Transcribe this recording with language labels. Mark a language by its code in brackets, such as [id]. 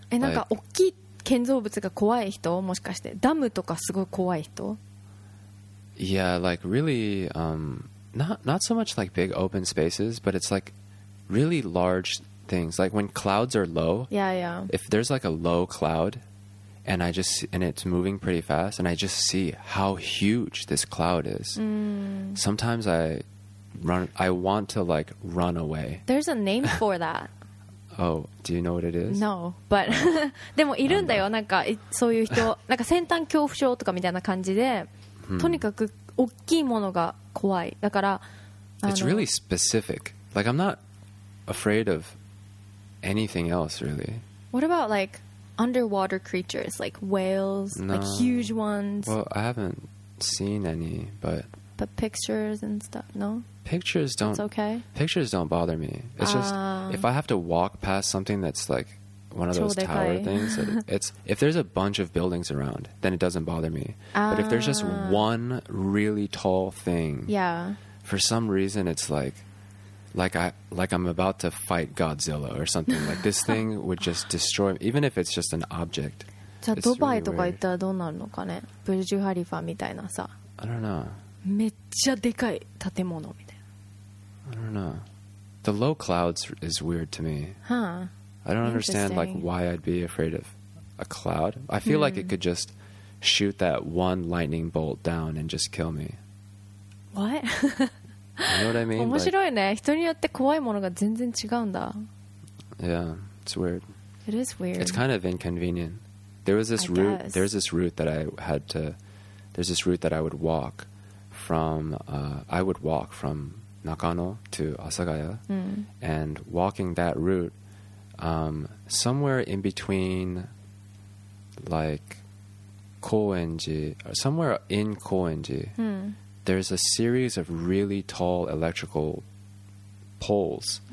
[ja] え、なんか大きい建造物が怖い人、もしかしてダムとかすごい怖い人。 [en] Yeah, like really not so much like big open spaces, but it's like really large things. Like when clouds are low. Yeah, yeah. If there's like a low cloud and I just, and it's moving pretty fast, and I just see how huge this cloud is. Sometimes I want to like run away. There's a name for that. Oh, do you know what it is? No, but [ja] でもいるんだよ、なんかそういう人、なんか先端恐怖症とかみたいな感じで、とにかく大きいものが怖い。だから、 [en] It's really specific. Like I'm not afraid of anything else, really. What about like underwater creatures, like whales, no. like huge ones? Well, I haven't seen any, but. But pictures and stuff, no? Pictures don't... It's okay. Pictures don't bother me. It's just, if I have to walk past something that's like one of those tower things, it's, if there's a bunch of buildings around, then it doesn't bother me. But if there's just one really tall thing, yeah. for some reason it's like I'm about to fight Godzilla or something. Like this thing would just destroy me, even if it's just an object. [ja] じゃあドバイとか行ったらどうなるのかね?ブルジュハリファみたいなさ。 [en] I don't know. [ja] めっちゃでかい建物みたいな。 [en] I don't know. The low clouds is weird to me. Huh. I don't understand like why I'd be afraid of a cloud. I feel like it could just shoot that one lightning bolt down and just kill me. What? You know what I mean? [ja] 面白いね。人によって怖いものが全然違うんだ。 [en] Yeah, it's weird. It is weird. It's kind of inconvenient. There was this route that I would walk. from I would walk from Nakano to Asagaya, and walking that route, somewhere in between, like Koenji, somewhere in Koenji, there's a series of really tall electrical poles.